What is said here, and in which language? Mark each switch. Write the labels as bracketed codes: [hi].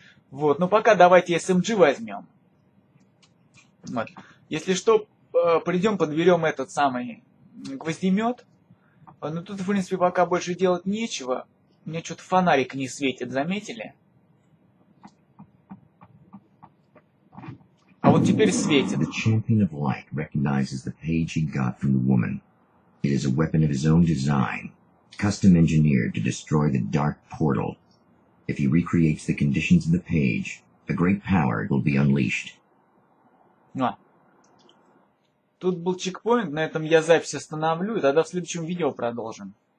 [ru] Вот, ну пока давайте SMG возьмем. Вот. Если что, придем, подберем этот самый гвоздемет. Ну тут, в принципе, пока больше делать нечего. У меня что-то фонарик не светит, заметили? А вот теперь светит. [en] The champion of light recognizes the page he got from the woman. It is a weapon of his own design. Custom engineered to destroy the dark portal. If he recreates the conditions of the page, a great power will be unleashed. [ru] Ну, тут был чекпоинт, на этом я запись остановлю, и тогда в следующем видео продолжим.